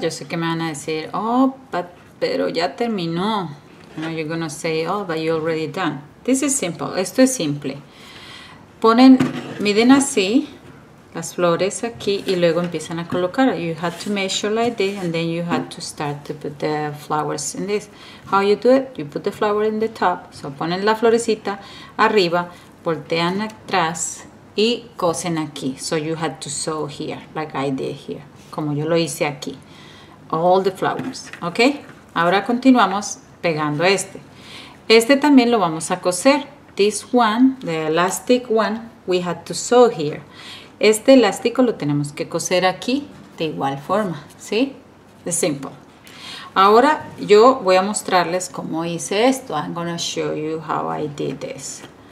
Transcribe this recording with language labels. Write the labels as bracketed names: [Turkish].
[Spanish] Yo sé que me van a decir, oh, pero ya terminó. [English] No, you're gonna say, oh, but you're already done. This is simple. [Spanish] Esto es simple. Miden así las flores aquí y luego empiezan a colocar. [English] You have to measure like this and then you have to start to put the flowers in this. How you do it? You put the flower in the top. So [Spanish] ponen la florecita arriba, voltean atrás y cosen aquí. [English] So you have to sew here, like I did here. [Spanish] Como yo lo hice aquí, [English] all the flowers, ¿ok? [Spanish] Ahora continuamos pegando este. Este también lo vamos a coser. [English] This one, the elastic one, we had to sew here. [Spanish] Este elástico lo tenemos que coser aquí de igual forma, ¿sí? Es simple. Ahora yo voy a mostrarles cómo hice esto. [English] I'm gonna show you how I did this.